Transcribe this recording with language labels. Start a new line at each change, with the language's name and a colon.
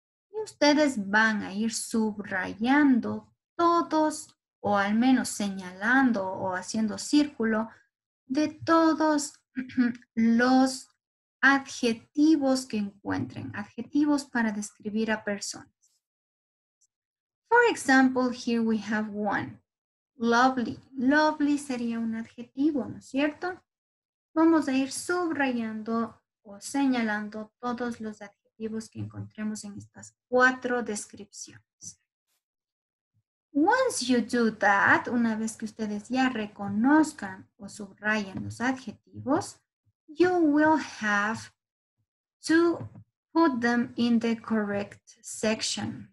Spanish: Y ustedes van a ir subrayando todos o al menos señalando o haciendo círculo, de todos los adjetivos que encuentren, adjetivos para describir a personas.
English: For example, here we have one. Lovely.
Spanish: Lovely sería un adjetivo, ¿no es cierto? Vamos a ir subrayando o señalando todos los adjetivos que encontremos en estas cuatro descripciones.
English: Once you do that,
Spanish: una vez que ustedes ya reconozcan o subrayan los adjetivos,
English: you will have to put them in the correct section.